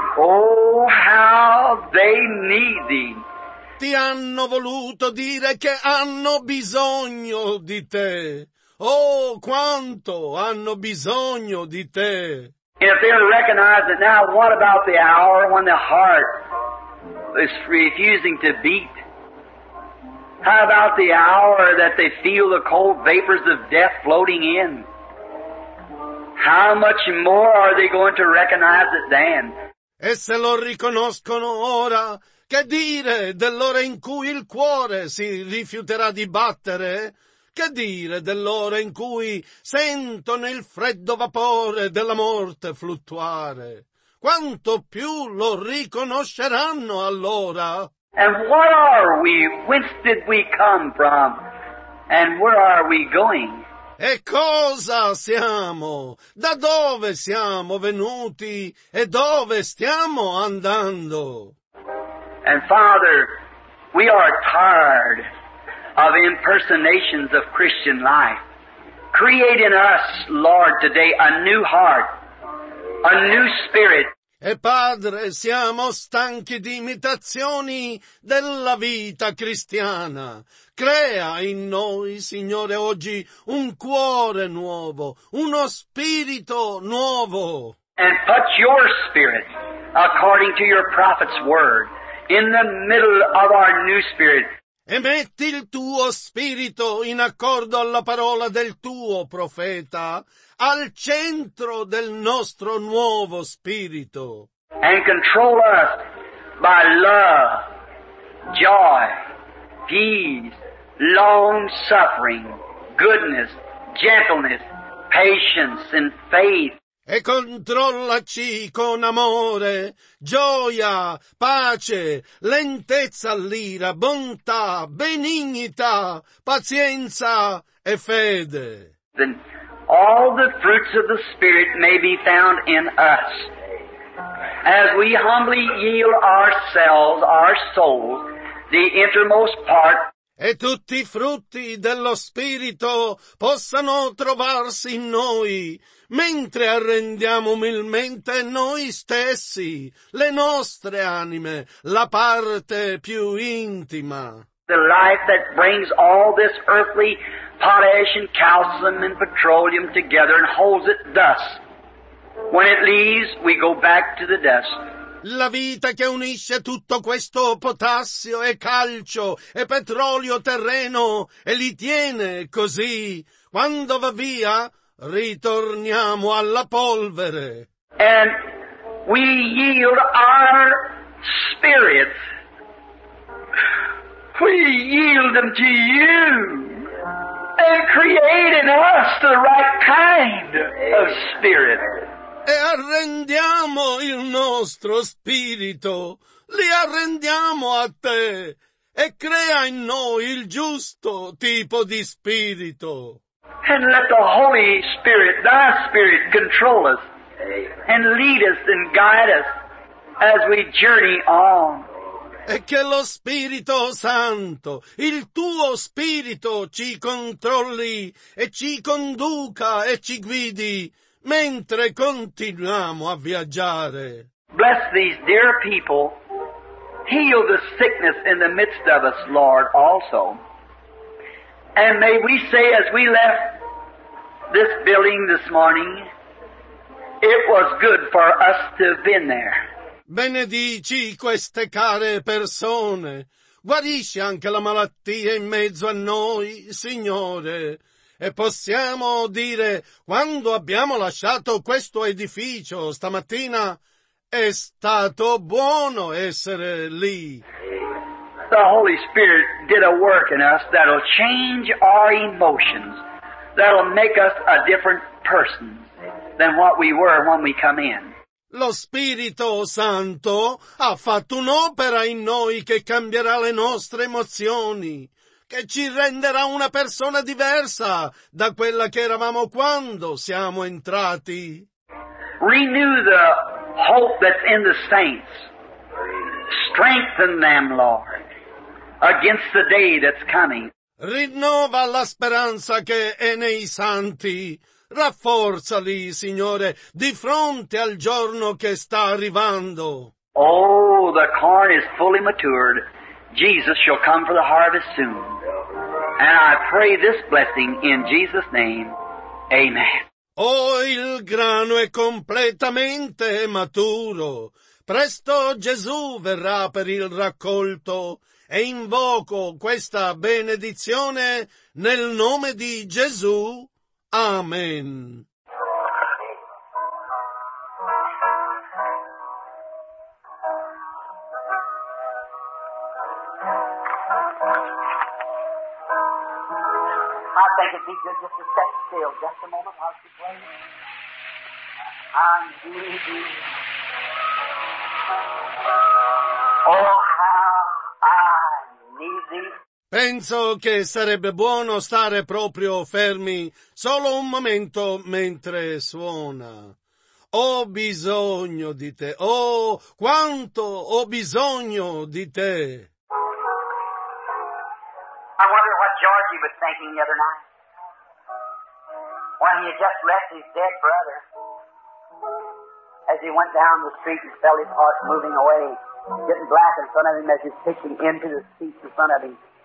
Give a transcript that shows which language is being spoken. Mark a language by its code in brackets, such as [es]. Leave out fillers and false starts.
[en] Oh, how they need thee. [it] Ti hanno voluto dire che hanno bisogno di te. Oh, quanto hanno bisogno di te. [en] If they recognize it now, what about the hour when the heart is refusing to beat? How about the hour that they feel the cold vapors of death floating in? How much more are they going to recognize it then? [it] E se lo riconoscono ora, che dire dell'ora in cui il cuore si rifiuterà di battere? Che dire dell'ora in cui sentono il freddo vapore della morte fluttuare? Quanto più lo riconosceranno allora? [en] And what are we? Whence did we come from? And where are we going? [it] E cosa siamo? Da dove siamo venuti? E dove stiamo andando? [en] And Father, we are tired of impersonations of Christian life. Create in us, Lord, today a new heart, a new spirit. [it] E Padre, siamo stanchi di imitazioni della vita cristiana. Crea in noi, Signore, oggi un cuore nuovo, uno spirito nuovo. [en] And put your spirit according to your prophet's word in the middle of our new spirit. [it] E metti il tuo spirito in accordo alla parola del tuo profeta, al centro del nostro nuovo spirito. [en] And control us by love, joy, peace, long-suffering, goodness, gentleness, patience, and faith. [it] E controllaci con amore, gioia, pace, lentezza all'ira, bontà, benignità, pazienza e fede. [en] Then all the fruits of the Spirit may be found in us. As we humbly yield ourselves, our soul, the innermost part. [it] E tutti i frutti dello Spirito possano trovarsi in noi, mentre arrendiamo umilmente noi stessi, le nostre anime, la parte più intima. [en] The life that brings all this earthly potash and calcium and petroleum together and holds it thus. When it leaves, we go back to the dust. [it] La vita che unisce tutto questo potassio e calcio e petrolio terreno e li tiene così. Quando va via, ritorniamo alla polvere. [en] And we yield our spirits. We yield them to you. And create in us the right kind of spirit. [it] E arrendiamo il nostro spirito, li arrendiamo a te, e crea in noi il giusto tipo di spirito. [en] And let the Holy Spirit, thy Spirit, control us, and lead us and guide us as we journey on. [it] E che lo Spirito Santo, il tuo Spirito, ci controlli e ci conduca e ci guidi mentre continuiamo a viaggiare. [en] Bless these dear people. Heal the sickness in the midst of us, Lord, also. And may we say as we left this building this morning, it was good for us to have been there. [it] Benedici queste care persone. Guarisci anche la malattia in mezzo a noi, Signore. E possiamo dire, quando abbiamo lasciato questo edificio stamattina, è stato buono essere lì. [en] The Holy Spirit did a work in us that'll change our emotions, that'll make us a different person than what we were when we come in. [it] Lo Spirito Santo ha fatto un'opera in noi che cambierà le nostre emozioni, che ci renderà una persona diversa da quella che eravamo quando siamo entrati. [en] Renew the hope that's in the saints. Strengthen them, Lord, against the day that's coming. [it] Rinnova la speranza che è nei santi. Rafforzali, Signore, di fronte al giorno che sta arrivando. [en] Oh, the corn is fully matured. Jesus shall come for the harvest soon. And I pray this blessing in Jesus' name. Amen. [it] Oh, il grano è completamente maturo. Presto Gesù verrà per il raccolto. E invoco questa benedizione nel nome di Gesù. Amen. [en] I think it'd be good just to set still just a moment while she plays. I'm greedy. Oh, how I need thee. [it] Penso che sarebbe buono stare proprio fermi solo un momento mentre suona. Ho bisogno di te. Oh, quanto ho bisogno di te. [en] I wonder what Georgie was thinking the other night when he had just left his dead brother as he went down the street and felt his heart moving away, getting black in front of him as he's pitching into the seats in front of him.